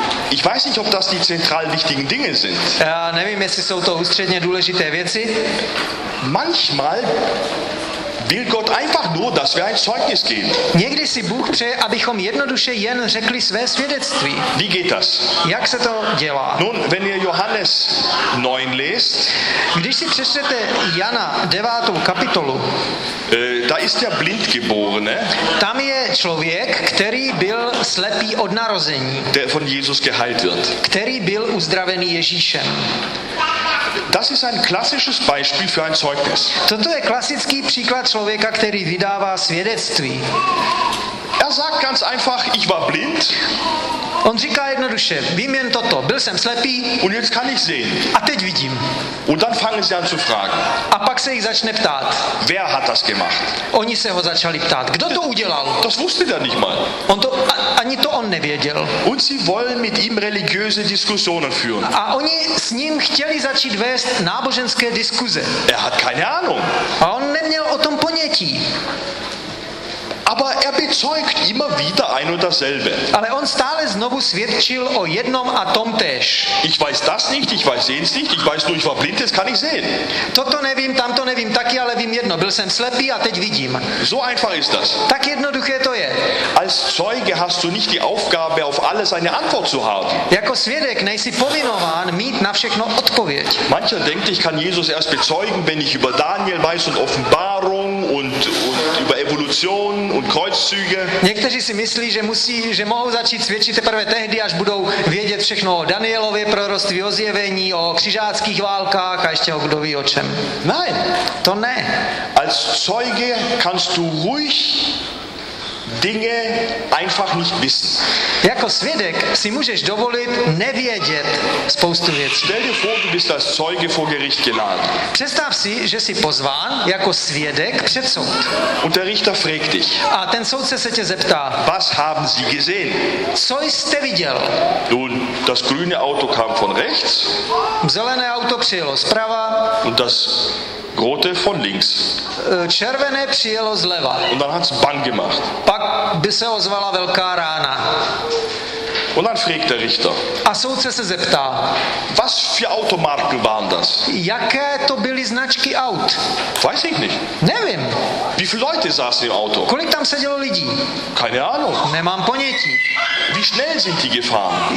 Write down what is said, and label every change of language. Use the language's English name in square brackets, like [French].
[German] Ich weiß nicht, ob das die zentral wichtigen Dinge sind. [Czech] Já nevím, jestli jsou to ústředně důležité věci. [German] Manchmal will Gott einfach nur, dass wir ein Zeugnis geben. [Czech] Někdy si Bůh přeje, abychom jednoduše jen řekli své svědectví. [German] Wie geht das? [Czech] Jak se to dělá? [German] Nun, wenn ihr Johannes 9 lest, [Czech] když si přečtete Jana 9. kapitolu, [German] da ist der Blindgeborene, [Czech] tam je člověk, který byl slepý od narození, [German] der von Jesus geheilt wird, [Czech] který byl uzdravený Ježíšem. [German] Das ist ein klassisches Beispiel für ein Zeugnis. [Czech] Toto je klasický příklad člověka, který vydává svědectví. [German] Er sagt ganz einfach, ich war blind. [Czech] On říká jednoduše, vím jen toto, byl jsem slepý. [German] Und jetzt kann ich sehen. [Czech] A teď vidím. [German] Und dann fangen sie an zu fragen. [Czech] A pak se jich začne ptát. [German] Wer hat das gemacht? [Czech] Oni se ho začali ptát, kdo to udělal? [German] Das wusste der nicht mal. [Czech] On to, ani to on nevěděl. [German] Und sie wollen mit ihm religiöse Diskussionen führen. [Czech] A oni s ním chtěli začít vést náboženské diskuze. [German] Er hat keine Ahnung. [Czech] A on neměl o tom ponětí. [German] Aber er bezeugt immer wieder ein und dasselbe. [Czech] Ale on stále znovu svědčil o jednom a tom též. [German] Ich weiß das nicht, ich weiß jenes nicht, ich weiß nur, ich war blind, das kann ich sehen. [Czech] Toto nevím, tamto nevím taky, ale vím jedno, byl jsem slepý a teď vidím. [German] So einfach ist das. [Czech] Tak jednoduché to je. [German] Als Zeuge hast du nicht die Aufgabe, auf alles eine Antwort zu haben. [Czech] Jako svědek nejsi povinován mít na všechno odpověď. [German] Mancher denkt, ich kann Jesus erst bezeugen, wenn ich über Daniel weiß und Offenbarung und über Evolution und Kreuzzüge. [Czech] Někteří si myslí, že mohou začít svědčit teprve tehdy, až budou vědět všechno o Danielově proroctví, o zjevení, o křižáckých válkách a ještě kdo ví o čem. [German] Nein. [Czech] To ne. [German] Als Zeuge kannst du ruhig Dinge einfach nicht wissen. [Czech] Jako svědek si můžeš dovolit nevědět spoustu věcí. [German] Stell dir vor, du bist als Zeuge vor Gericht geladen. [Czech] Představ si, že jsi pozván jako svědek před soud. [German] Und der Richter fragt dich. [Czech] A ten soudce se tě zeptá. [German] Was haben Sie gesehen? [Czech] Co jste viděl? [German] Nun, das grüne Auto kam von rechts. [Czech] Zelené auto přijelo zprava. [German] Und das rote von links. [Czech] Červené přijelo zleva. [German] Und dann hat's bang gemacht. [Czech] Pak aby se ozvala velká rána. [German] Und dann fragt der Richter. [Czech] A soudce se zeptá. [German] Was für Automarken waren das? [Czech] Jaké to byly značky aut? [German] Weiß ich nicht. [Czech] Nevím. [German] Wie viele Leute saßen im Auto? [Czech] Kolik tam sedělo lidí? [German] Keine Ahnung. [Czech] Nemám ponětí. [German] Wie schnell sind die gefahren?